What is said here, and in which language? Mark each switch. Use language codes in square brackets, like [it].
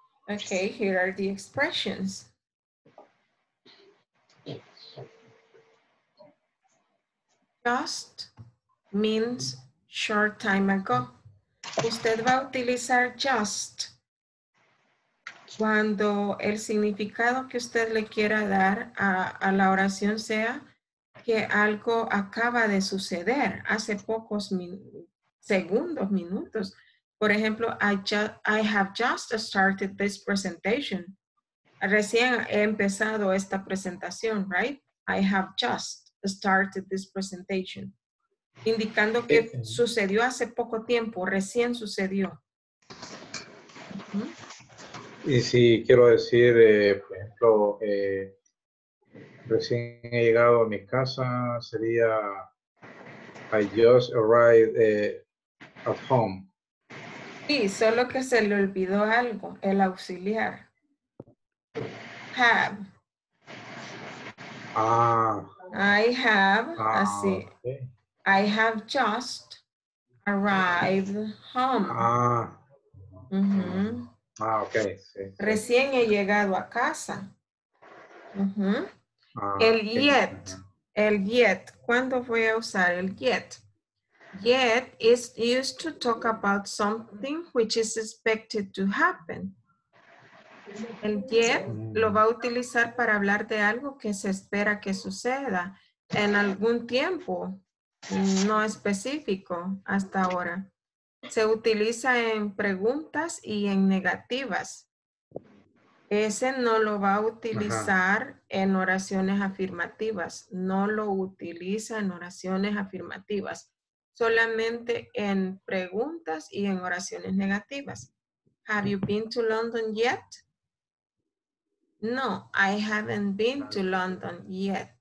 [en] Okay, here are the expressions. Just means short time ago. [es] Usted va a utilizar just cuando el significado que usted le quiera dar a la oración sea que algo acaba de suceder hace pocos segundos, minutos. Por ejemplo, [en] I have just started this presentation. [es] Recién he empezado esta presentación, [en] right? I have just started this presentation. [es] Indicando que sucedió hace poco tiempo, recién sucedió. Y si quiero decir, por ejemplo, recién he llegado a mi casa, sería [en] I just arrived at home. [es] Sí, solo que se le olvidó algo, el auxiliar. [en] Have. Ah. I have, [es] así. [en] Okay. I have just arrived home. Ah. Uh-huh. [es] Ah, okay. Sí, sí. Recién he llegado a casa. Uh-huh. Ah, el okay. Yet. El yet. ¿Cuándo voy a usar el yet? [en] Yet is used to talk about something which is expected to happen. [es] El yet lo va a utilizar para hablar de algo que se espera que suceda en algún tiempo, no específico hasta ahora. Se utiliza en preguntas y en negativas. Ese no lo va a utilizar en oraciones afirmativas. No lo utiliza en oraciones afirmativas. Solamente en preguntas y en oraciones negativas. [en] Have you been to London yet? No, I haven't been to London yet.